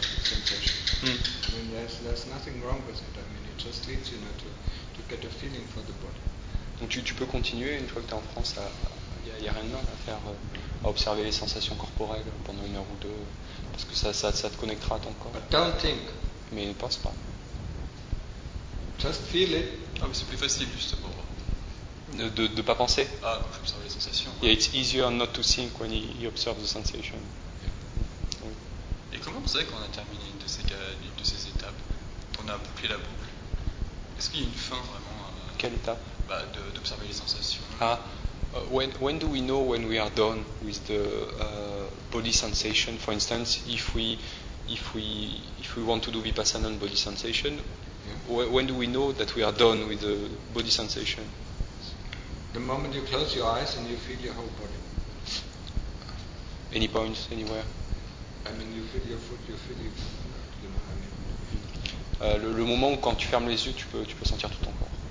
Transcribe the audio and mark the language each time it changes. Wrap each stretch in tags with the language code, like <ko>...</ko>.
<en>I mean, there's nothing wrong with it. I mean, it just leads you not to get a feeling for the body.</en> <fr>Donc tu peux continuer une fois que tu es en France, il n'y a rien de mal à faire, à observer les sensations corporelles pendant une heure ou deux, parce que ça te connectera à ton corps.</fr> <en>But don't think.</en> <fr>Mais ne pense pas.</fr> <en>Just feel it.</en> <fr>Ah, mais c'est plus facile justement. De pas penser. Ah, observer les sensations.</fr> <en>Ouais. Yeah, it's easier not to think when you observe the sensation.</en> <fr>Et comment vous savez qu'on a terminé une de ces étapes, qu'on a bouclé la boucle? Est-ce qu'il y a une fin vraiment? Quelle étape? Bah, d'observer les sensations.</fr> <en>Ah, when do we know when we are done with the body sensation? For instance, if we want to do vipassana and body sensation, yeah. When do we know that we are done with the body sensation? The moment you close your eyes and you feel your whole body. Any points anywhere? I mean, you feel your foot, you feel your, you know, I mean.</en> <fr>Le moment où quand tu fermes les yeux, tu peux sentir tout ton corps.</fr>